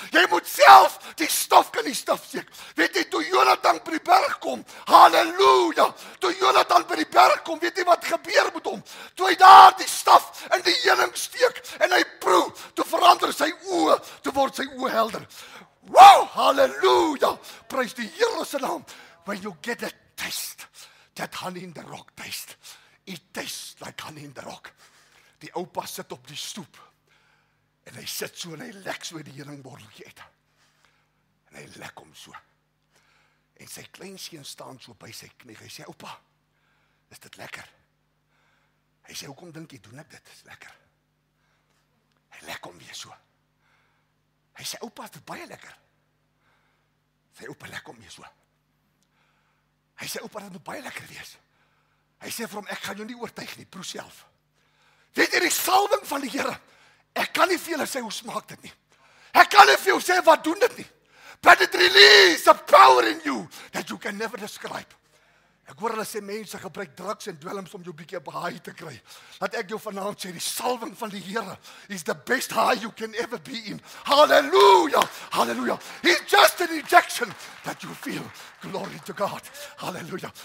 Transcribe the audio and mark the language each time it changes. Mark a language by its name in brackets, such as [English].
[Afrikaans] Jy moet self die stof in die stof seek. Weet jy, toe Jonathan by die berg kom, halleluja, toe Jonathan by die berg kom, weet jy wat gebeur met hom? Toe hy daar die stof in die heuning steek en hy proe, toe verander sy oë, toe word sy oë helder. Wow, halleluja, prys die Here se naam. [English] When you get a taste, that honey in the rock taste, it tastes like honey in the rock. [Afrikaans] Die oupa sit op die stoep en hy sit so en hy lek so die heuningborreltjie uit. En hy lek hom so. En sy kleinseun staan so by sy knie. Hy sê, oupa, is dit lekker? Hy sê, hoekom dink jy doen ek dit? Is lekker. Hy lek hom weer so. Hy sê, oupa, is dit baie lekker? Sy oupa lek hom weer so. Hy sê, oupa, dit moet baie lekker wees. Hy sê vir hom, ek gaan jou nie oortuig nie, proe self. Weet jy die salwing van die Here? Ek kan nie vir julle sê, hoe smaak dit nie. Ek kan nie vir jou sê, wat doen dit nie. [English] But it release a power in you that you can never describe. [Afrikaans] Ek hoor hulle sê, mense gebruik drugs en dwelms om jou bietjie op haai te kry. Laat ek jou vanavond sê, die salwing van die Here is [English] the best high you can ever be in. Hallelujah, hallelujah. It's just an injection that you feel. Glory to God, hallelujah.